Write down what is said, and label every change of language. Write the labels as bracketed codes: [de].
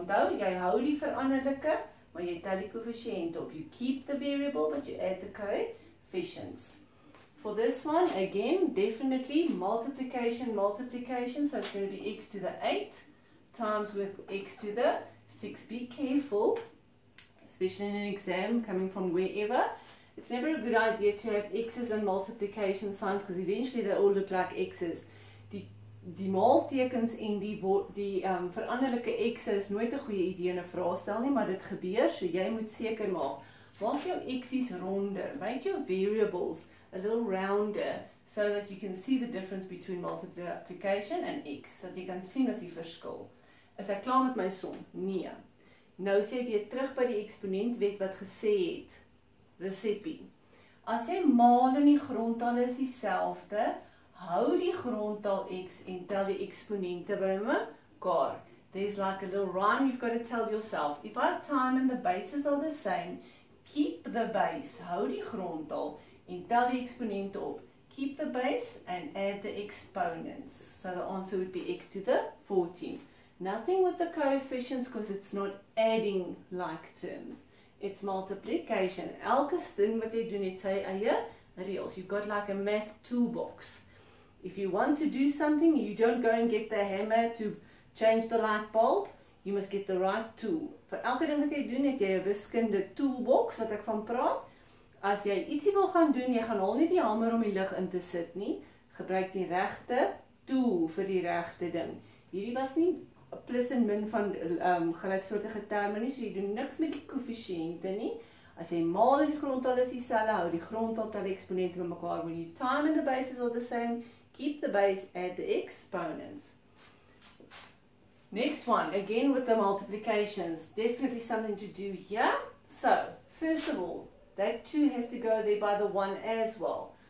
[af] Onthou, jy hou die veranderlike, maar jy tel die koëffisiënt op. [en] You keep the variable, but you add the coefficients. For this one, again, definitely multiplication, multiplication. So it's going to be x to the 8 times with x to the 6. Be careful, especially in an exam coming from wherever. It's never a good idea to have x's and multiplication signs, because eventually they all look like x's. [af] Die maaltekens en die veranderlike x's is nooit 'n goeie idee in 'n vraestel nie, maar dit gebeur, so jy moet seker maak. Maak jou x's ronder, [en] make your variables a little rounder, so that you can see the difference between multiplication and x, so that you can see [af] as die verskil. Is ek klaar met my som? Nee. Nou sê ek weer terug by die eksponentwet wat gesê het, resepie. As jy maal en die grondtaal is dieselfde, hou die grondtaal x en tel die eksponente by mekaar. [en] There's like a little rhyme you've got to tell yourself. If our time and the bases are the same, keep the base, [af] hou die grondtaal, en tel die exponente op. [en] Keep the base and add the exponents. So the answer would be x to the 14. Nothing with the coefficients, because it's not adding like terms. It's multiplication. [af] Elke ding wat jy doen, het sy eie reëls. [en] You've got like a math toolbox. If you want to do something, you don't go and get the hammer to change the light bulb. You must get the right tool. [af] Vir elke ding wat jy doen, het jy 'n wiskunde toolbox wat ek van praat. As jy ietsie wil gaan doen, jy gaan al nie die hamer om die lig in te sit nie. Gebruik die regte tool vir die regte ding. Hierdie was nie plus en min van gelyksoortige terme nie, so jy doen niks met die koëffisiënte nie. As jy maal in die grondtal is die selle, hou die grondtal tel exponent van mekaar. [en] When your time and the base is all the same, keep the base at the exponents. Next one, again with the multiplications. Definitely something to do here. So, first of all, that 2 has to go there by the 1 as well.